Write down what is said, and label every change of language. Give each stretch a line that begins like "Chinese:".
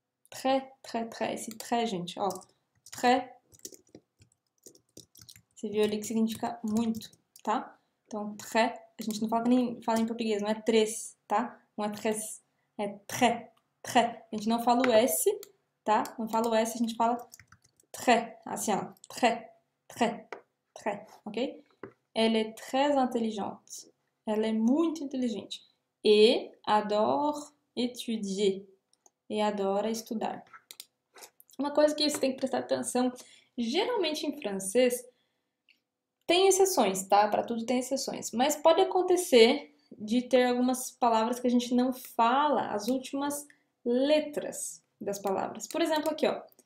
Portuguese: Très, très, très, esse très, gente, ó, très, você viu ali que significa muito, tá? Então, très, a gente não fala nem fala em português, não é três, tá? Não é três, é très, très, a gente não fala o S, tá? Não fala o S, a gente fala très, assim, ó.
French: Très, très, très, ok? Elle est très intelligente.
Portuguese: Ela é muito inteligente. E
French: adore étudier.
Portuguese: E adora estudar. Uma coisa que você tem que prestar atenção, geralmente em francês, tem exceções, tá? Para tudo tem exceções. Mas pode acontecer de ter algumas palavras que a gente não fala as últimas letras das palavras. Por exemplo, aqui, ó.